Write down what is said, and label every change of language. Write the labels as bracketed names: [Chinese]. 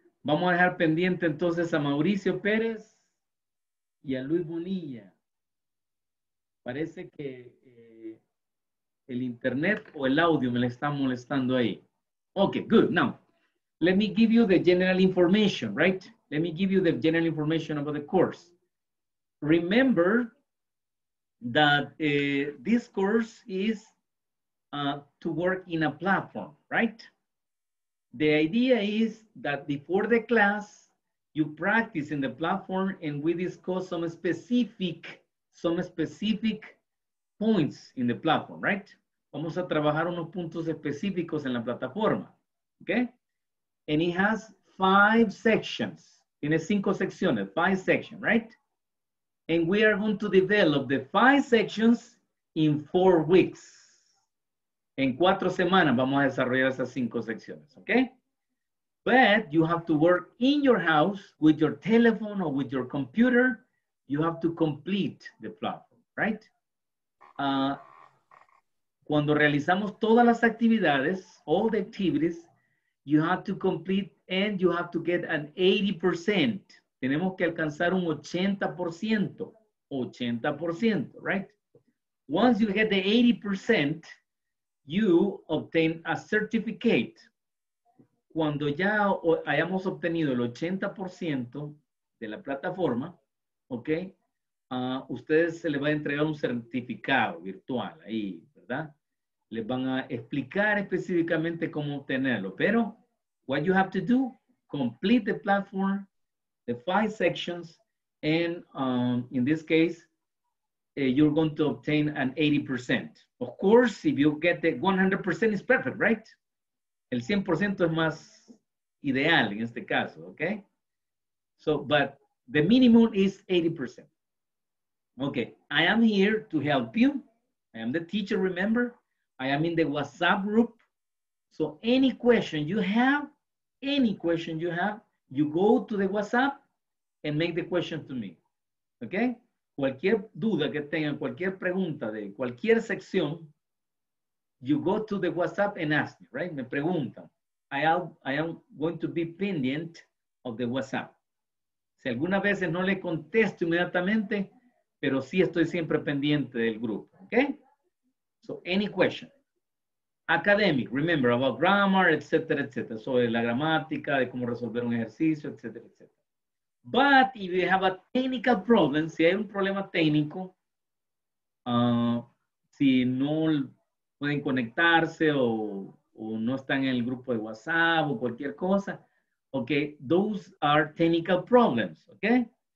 [Spanish] Vamos a dejar pendiente entonces a Mauricio Pérez y a Luis Bonilla. Parece que el internet o el audio me le está molestando ahí. [English] Okay, good. Now, let me give you the general information, right? Let me give you the general information about the course. Remember that this course is to work in a platform, right? The idea is that before the class, you practice in the platform and we discuss some specific points in the platform, right? [Spanish] Vamos a trabajar unos puntos específicos en la plataforma, okay? [English] And it has five sections. [Spanish] Tiene cinco secciones, [English] five sections, right? And we are going to develop the five sections in 4 weeks. [Spanish] En 4 semanas vamos a desarrollar esas 5 secciones, okay? [English] But you have to work in your house with your telephone or with your computer. You have to complete the platform, right? [Spanish] Cuando realizamos todas las actividades, [English] all the activities, you have to complete and you have to get an 80%. [Spanish] Tenemos que alcanzar un 80%, 80%, right? [English] Once you get the 80%, you obtain a certificate. [Spanish] Cuando ya hayamos obtenido el 80% de la plataforma, ok, ustedes se les va a entregar un certificado virtual ahí, ¿verdad? Les van a explicar específicamente cómo obtenerlo, pero [English] what you have to do, complete the platform, the 5 sections, and in this case, you're going to obtain an 80%. Of course, if you get the 100%, it's perfect, right? [Spanish] El 100% es más ideal en este caso, okay? [English] So, but the minimum is 80%. Okay, I am here to help you. I am the teacher, remember? I am in the WhatsApp group. So any question you have, you go to the WhatsApp and make the question to me, okay? [Spanish] Cualquier duda que tengan, cualquier pregunta de cualquier sección, [English] you go to the WhatsApp and ask me, right? [Spanish] Me preguntan. [English] I am going to be pendient of the WhatsApp. [Spanish] Si alguna vez no le contesto inmediatamente, pero sí estoy siempre pendiente del grupo, okay? [English] So any question. Academic, remember about grammar, etc., etc. [Spanish] Sobre la gramática, de cómo resolver un ejercicio, etc., etc. [English] But if you have a technical problem, [Spanish] si hay un problema técnico, si no pueden conectarse o no están en el grupo de WhatsApp o cualquier cosa, okay, [English] those are technical problems, okay?